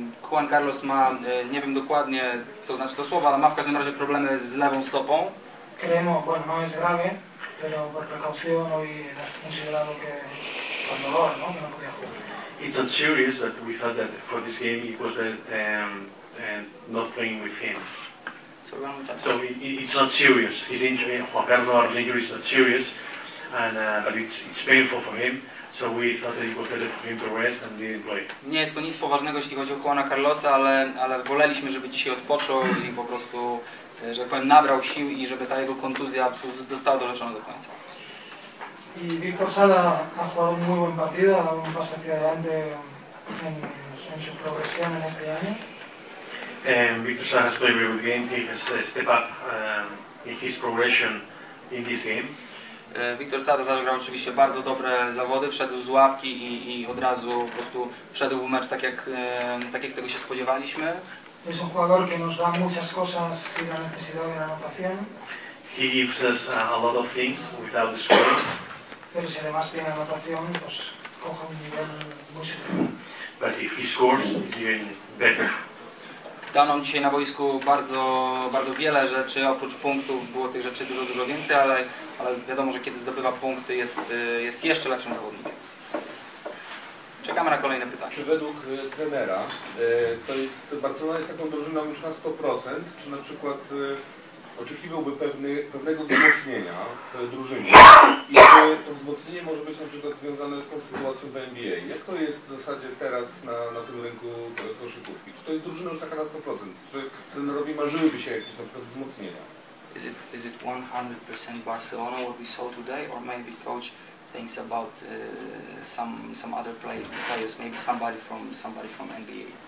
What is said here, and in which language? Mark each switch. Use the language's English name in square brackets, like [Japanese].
[Polish] Juan Carlos ma, nie wiem dokładnie co znaczy to słowo, ale ma w każdym razie problemy z lewą stopą. [Spanish] Creemos, bueno, no es grave, pero por precaución hoy hemos considerado que con dolor, ¿no? Que no podía jugar. [English] It's a serious that we thought that for this game it was better not playing with him. So it's not serious. His injury, Juan Carlos' injury is not serious, and but it's painful for him. So we thought that it was better for him to rest and didn't play. [Polish] Nie jest to nic poważnego, jeśli chodzi o Juana Carlosa, ale woleliśmy, żeby dzisiaj odpoczął i po prostu, że powiem, nabrał sił i żeby ta jego kontuzja została doleczona do końca. [Spanish] I Victor Sala ha jugado un muy buen partido, ha dado un paso hacia adelante en su progresión en este año. [English] Victor Sala has played a very good game, he has stepped up in his progression in this game. [Polish] Victor Sala zagrał oczywiście bardzo dobre zawody, wszedł z ławki i od razu po prostu wszedł w mecz tak jak tego się spodziewaliśmy. [Spanish] Es un jugador que nos da muchas cosas sin la necesidad de la anotación. [English] He gives us a lot of things without the scoring. [Spanish] Pero si además tiene anotación, pues coge un nivel muy superior. [English] But if he scores, it's even better. [Polish] Dano dzisiaj na boisku bardzo, bardzo wiele rzeczy, oprócz punktów było tych rzeczy dużo, dużo więcej, ale wiadomo, że kiedy zdobywa punkty, jest jeszcze lepszym zawodnikiem. Czekamy na kolejne pytanie. Czy według trenera Barcelona jest taką drużyną już na 100%, czy na przykład oczekiwałby pewnego wzmocnienia w drużynie i czy to wzmocnienie może być na przykład związane z tą sytuacją w NBA? Jak to jest w zasadzie teraz na tym rynku koszykówki? Czy to jest drużyna już taka na 100%? Czy trenerowi marzyłyby się jakieś na przykład wzmocnienia? [English] Is it 100% Barcelona what we saw today, or maybe coach thinks about some other players, maybe somebody from NBA.